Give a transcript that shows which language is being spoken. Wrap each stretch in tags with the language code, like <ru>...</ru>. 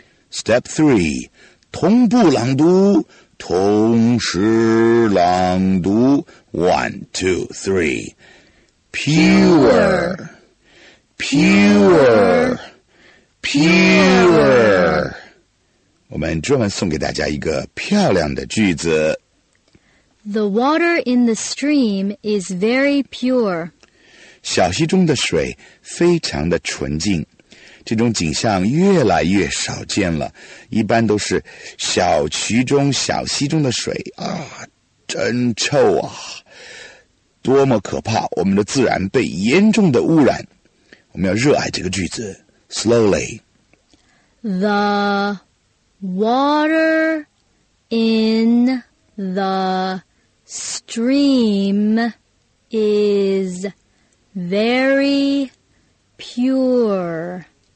<en>Step 3,</en> <zh>同步朗读，同时朗读</zh> <en>Pure, pure, pure.</en> <zh>我们专门送给大家一个漂亮的句子。</zh> <en>The water in the stream is very pure.</en> <zh>小溪中的水非常的纯净。这种景象越来越少见了，一般都是小渠中、小溪中的水啊，真臭啊，多么可怕！我们的自然被严重的污染。我们要热爱这个句子。Slowly.</zh> <en>The water in the stream is very pure.</en>